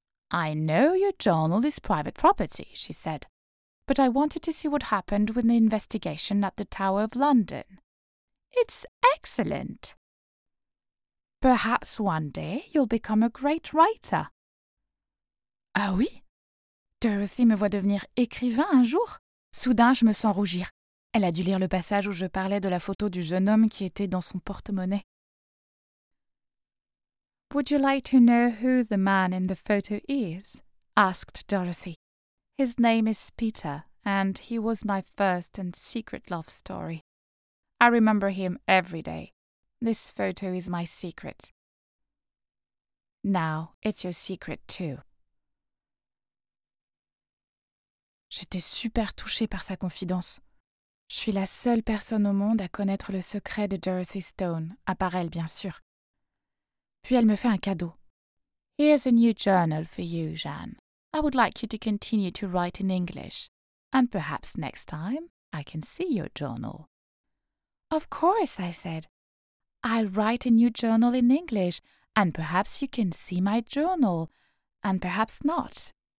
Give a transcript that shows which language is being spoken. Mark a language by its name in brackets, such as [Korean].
[English] I know your journal is private property, she said. But I wanted to see what happened with the investigation at the Tower of London. It's excellent. Perhaps one day you'll become a great writer. [French] Ah oui? Dorothy me voit devenir écrivain un jour. Soudain, je me sens rougir. Elle a dû lire le passage où je parlais de la photo du jeune homme qui était dans son porte-monnaie. [English] Would you like to know who the man in the photo is? Asked Dorothy. His name is Peter, and he was my first and secret love story. I remember him every day. This photo is my secret. Now, it's your secret too. [French] J'étais super touchée par sa confidence. Je suis la seule personne au monde à connaître le secret de Dorothy Stone, à part elle, bien sûr. Puis elle me fait un cadeau. [English] Here's a new journal for you, Jeanne. I would like you to continue to write in English. And perhaps next time, I can see your journal. Of course, I said. I'll write a new journal in English, and perhaps you can see my journal, and perhaps not.